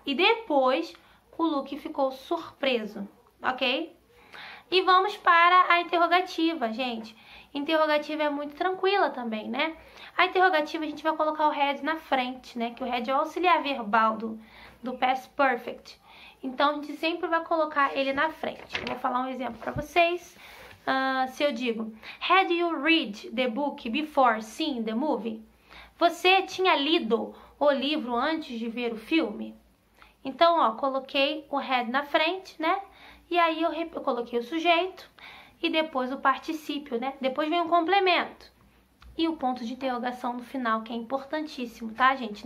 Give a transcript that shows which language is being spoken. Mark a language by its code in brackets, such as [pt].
[pt] E depois o Luke ficou surpreso, ok? E vamos para a interrogativa, gente. Interrogativa é muito tranquila também, né? A interrogativa a gente vai colocar o had na frente, né? Que o had é o auxiliar verbal do past perfect. Então, a gente sempre vai colocar ele na frente. Eu vou falar um exemplo para vocês. Se eu digo, [en] had you read the book before seeing the movie? [pt] Você tinha lido o livro antes de ver o filme? Então, ó, coloquei o had na frente, né? E aí eu coloquei o sujeito e depois o particípio, né? Depois vem o complemento. E o ponto de interrogação no final, que é importantíssimo, tá, gente?